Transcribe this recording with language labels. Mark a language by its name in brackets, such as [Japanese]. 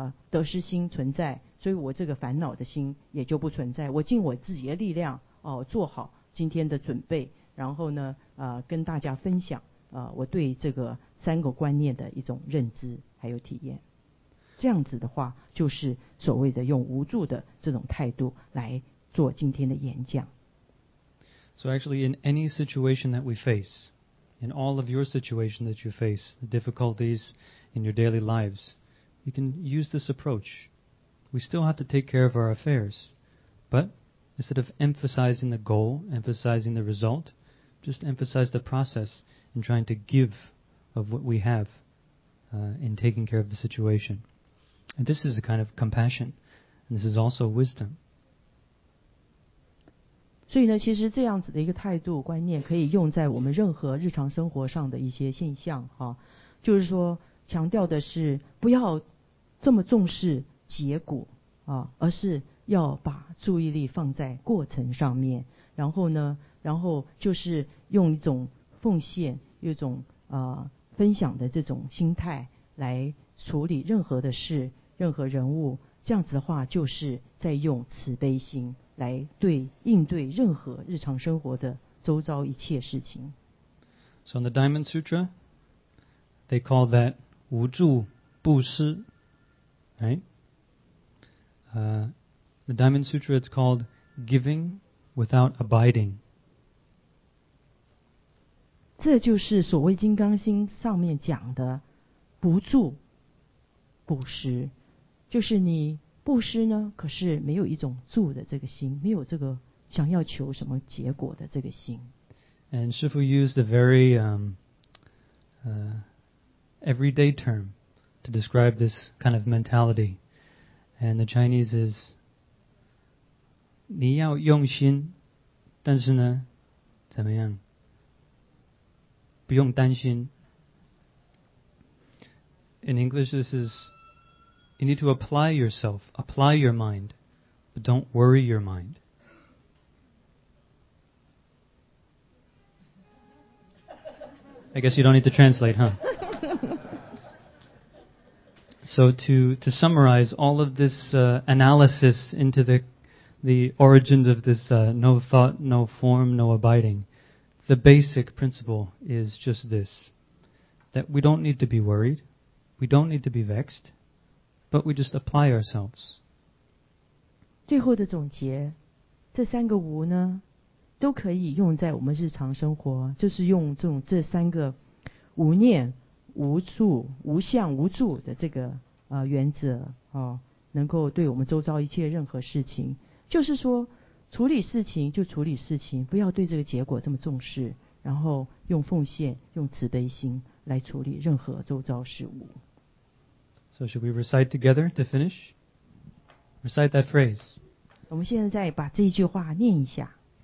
[Chinese] 得失心存在，所以我这个烦恼的心也就不存在，我尽我自己的力量哦、做好今天的准备，然后呢跟大家分享我对这个三个观念的一种认知还有体验。这样子的话就是所谓的用无助的这种态度来做今天的演讲。 [English] So actually in any situation that we face, in all of your situation that you face, the difficulties in your daily lives, you can use this approach. We still have to take care of our affairs, but instead of emphasizing the goal, emphasizing the result,Just emphasize the process in trying to give of what we have in taking care of the situation. And this is a kind of compassion. And this is also wisdom. [Chinese] 所以呢，其实这样子的一个态度观念可以用在我们任何日常生活上的一些现象哈，就是说强调的是不要这么重视结果啊，而是要把注意力放在过程上面，然后呢然后就是用一种奉献，一种分享的这种心态来处理任何的事，任何人物，这样子的话就是在用慈悲心来对应对任何日常生活的周遭一切事情。 [English] So in the Diamond Sutra they call that 无助布施 right? The Diamond Sutra is called giving without abiding. [Chinese] 这就是所谓《金刚经》上面讲的不住布施，就是你布施呢，可是没有一种住的这个心，没有这个想要求什么结果的这个心。 [English] And 师父 used a very everyday term to describe this kind of mentality, and the Chinese is [Chinese] 你要用心，但是呢，怎么样？不用担心。 [English] In English, this is you need to apply yourself, apply your mind, but don't worry your mind. 。I guess you don't need to translate, huh? So to summarize all of this analysis into the origins of this no thought, no form, no abiding. The basic principle is just this, that we don't need to be worried, we don't need to be vexed, but we just apply ourselves. [Chinese] 最后的总结，这三个无呢，都可以用在我们日常生活，就是用这三个无念、无助、无相、无助的这个原则，能够对我们周遭一切任何事情，就是说处理事情就处理事情，不要对这个结果这么重视，然后用奉献、用慈悲心来处理任何周遭事物。 [English] So should we recite together to finish? Recite that phrase. [Chinese] 我们现在再把这一句话念一下。